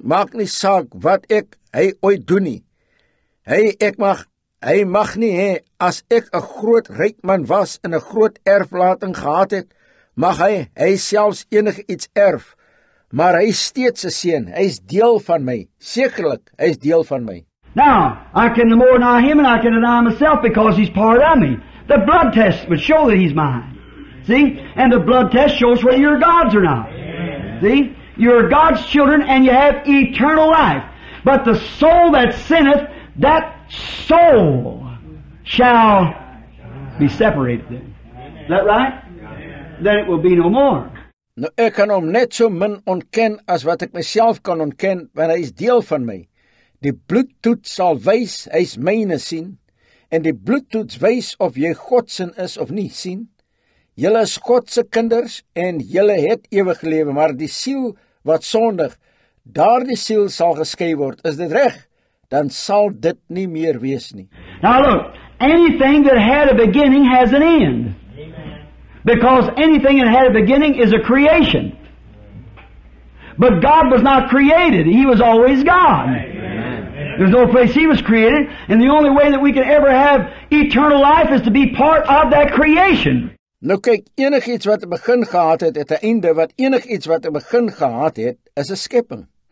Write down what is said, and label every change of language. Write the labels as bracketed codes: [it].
[af] Maak nie saak wat ek hy ooit doen nie. Hy mag nie hê, as ek 'n groot ryk man was en 'n groot erflating gehad het, mag hy selfs enige iets erf. Maar hy is steeds 'n seun. Hy is deel van my. Sekerlik, hy is deel van my. [en] Now, I can more deny him and I can deny myself because he's part of me. The blood test would show that he's mine. See? And the blood test shows whether you're God's or not. Amen. See? You're God's children and you have eternal life. But the soul that sinneth, that soul shall be separated. Is that right? Amen. Then it will be no more. [af] Nou, ek kan hom net so min ontken as wat ek myself kan ontken, want hy is deel van my. Die bloedtoets sal wys, hy is myne sien. En die bloedtoets wys of jy Godsin is of nie, sien. Julle is Godse kinders en julle het ewig lewe, maar die siel wat sondig, daardie siel sal geskei word. Is dit reg? Dan sal dit nie meer wees nie. [en] Now look, anything that had a beginning has an end. Because anything that had a beginning is a creation. But God was not created. He was always God. There's no place He was created, and the only way that we can ever have eternal life is to be part of that creation. [af] Nou kyk, enig iets wat 'n begin gehad het, het 'n einde, wat enig iets wat 'n begin gehad het, is 'n skepping.